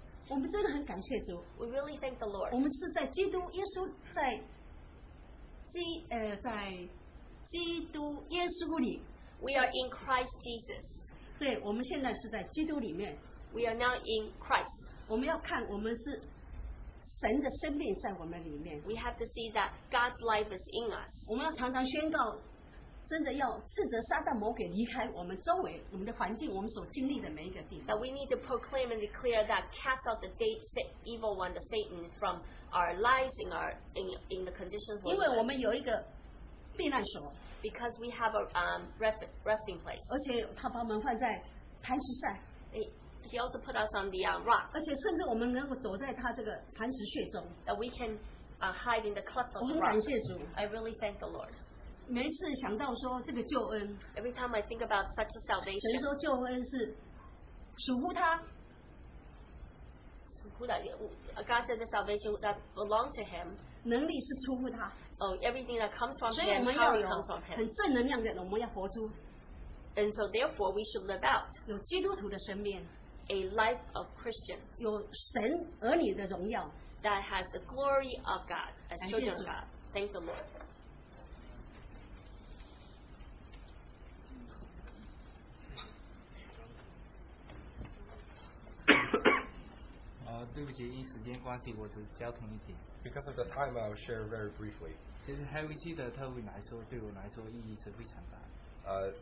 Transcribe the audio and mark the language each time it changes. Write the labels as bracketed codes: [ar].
[zh] 我们真的很感谢主。 [en] We really thank the Lord. [zh] 我们是在基督耶稣在基在基督耶稣里。 [en] We are in Christ Jesus. [zh] 对，我们现在是在基督里面。 [en] We are now in Christ. [zh] 我们要看我们是神的生命在我们里面。 [en] We have to see that God's life is in us. [zh] 我们要常常宣告，真的要斥责撒旦魔鬼离开我们周围、我们的环境、我们所经历的每一个地方。 [en] That we need to proclaim and declare that cast out the evil one, the Satan, from our lives in the conditions. [zh] 因为我们有一个避难所。 [en] Because we have a resting place. [zh] 而且他把我们放在磐石上。 [en] He also put us on the rock. [zh] 而且甚至我们能够躲在他这个磐石穴中。 [en] That we can hide in the cleft of the rock. [zh] 我很感谢主。 [en] I really thank the Lord. [zh] 每次想到说这个救恩。 [en] Every time I think about such a salvation. [zh] 神说救恩是属乎他。属乎他。 [en] God said the salvation that belonged to him. [zh] 能力是出乎他。 [en] Oh, everything that comes from him. [zh] 所以我们要有很正能量的，我们要活出。 [en] And so therefore we should live out. [zh] 有基督徒的生命。 [en] A life of Christian [zh] 有神儿女的荣耀 [en] that has the glory of God as children of God. Thank the Lord. [zh] 第对不起，因时间关系，我只交通一点。 [en] Because of the time, I will share very briefly. [zh] 其实海威西的特会来说，对我来说意义是非常大。